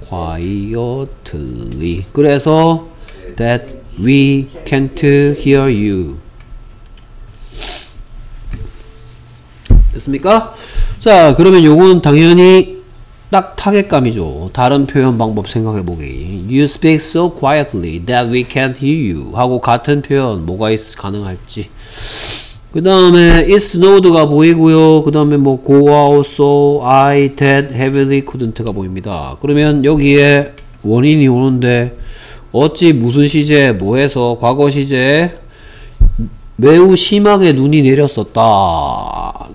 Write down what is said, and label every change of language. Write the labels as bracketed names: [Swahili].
[English] Quietly. [Korean] 그래서 [English] that we can't hear you. [Korean] 됐습니까? 자 그러면 요건 당연히 딱 타겟감이죠. 다른 표현 방법 생각해보기. [English] You speak so quietly that we can't hear you. [Korean] 하고 같은 표현 뭐가 가능할지. 그 다음에 it snowed가 보이고요. 그 다음에 뭐 go out, so, I, that, heavily couldn't가 보입니다. 그러면 여기에 원인이 오는데 어찌 무슨 시제에 뭐해서 과거 시제에 매우 심하게 눈이 내렸었다.